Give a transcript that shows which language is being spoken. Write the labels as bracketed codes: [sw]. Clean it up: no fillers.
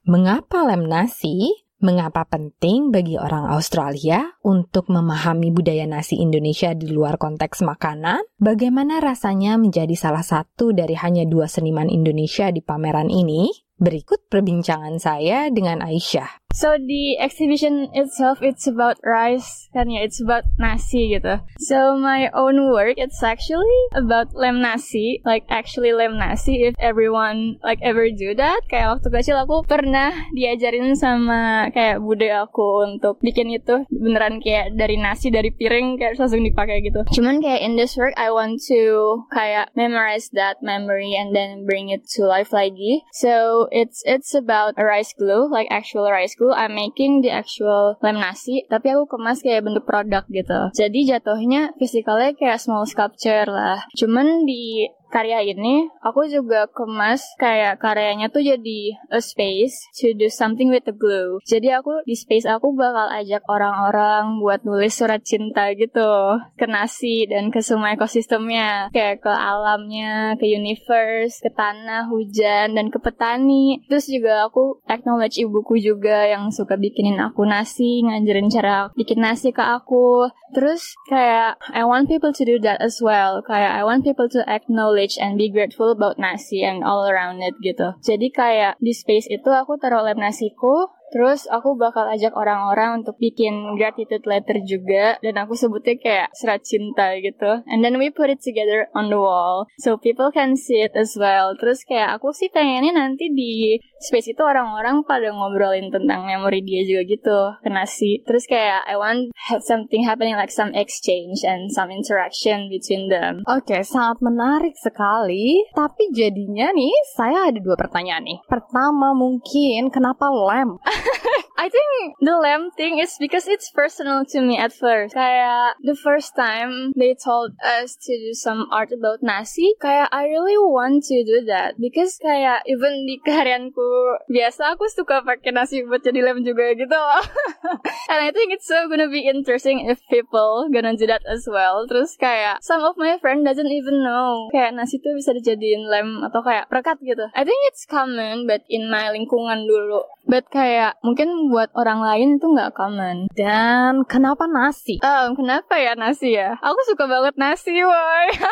[id] Mengapa lemnasi? Mengapa penting bagi orang Australia untuk memahami budaya nasi Indonesia di luar konteks makanan? Bagaimana rasanya menjadi salah satu dari hanya dua seniman Indonesia di pameran ini? Berikut perbincangan saya dengan Aisyah. [en] So the exhibition itself, it's about rice, [id] kan ya, [en] it's about nasi gitu. So my own work, it's actually about lem nasi, like actually lem nasi, if everyone like ever do that. [id] Kayak waktu kecil aku pernah diajarin sama kayak bude aku untuk bikin itu, beneran kayak dari nasi, dari piring, kayak langsung dipakai gitu. [en] Cuman kayak in this work, I want to kayak memorize that memory and then bring it to life lagi. So it's about a rice glue, like actual rice glue. I'm making the actual [id] lem nasi, tapi aku kemas kayak bentuk produk gitu. Jadi jatuhnya fisikalnya kayak small sculpture lah. Cuman di karya ini, aku juga kemas kayak karyanya tuh jadi [en] a space to do something with the glue. [id] Jadi aku, di space aku bakal ajak orang-orang buat nulis surat cinta gitu, ke nasi dan ke semua ekosistemnya. Kayak ke alamnya, ke universe, ke tanah, hujan, dan ke petani. Terus juga aku acknowledge ibuku juga yang suka bikinin aku nasi, ngajarin cara bikin nasi ke aku. [en] Terus kayak, I want people to do that as well. Kayak, I want people to acknowledge and be grateful about nasi and all around it gitu. [id] Jadi kayak di space itu aku taruh lem nasiku, terus aku bakal ajak orang-orang untuk bikin [en] gratitude letter [id] juga, dan aku sebutnya kayak surat cinta gitu. [en] And then we put it together on the wall so people can see it as well. [id] Terus kayak aku sih pengennya nanti di space itu orang-orang pada ngobrolin tentang memori dia juga gitu, ke nasi. Terus kayak [en] I want have something happening, like some exchange and some interaction between them. [id] Okay, sangat menarik sekali. Tapi jadinya nih, saya ada dua pertanyaan nih. Pertama mungkin, kenapa lem? [en] I think the lamb thing is because it's personal to me at first. Kayak the first time they told us to do some art about nasi, kayak I really want to do that. [id] Because kayak even di karyanku biasa, aku suka pakai nasi buat jadi lamb juga gitu. [en] And I think it's so gonna be interesting if people gonna do that as well. [id] Terus kayak [en] some of my friend doesn't even know [id] kayak nasi tuh bisa dijadiin lamb atau kayak perekat gitu. [en] I think it's common, but in my [id] lingkungan dulu. But kayak mungkin buat orang lain itu nggak common. Dan kenapa nasi? Kenapa ya nasi ya? Aku suka banget nasi, woy.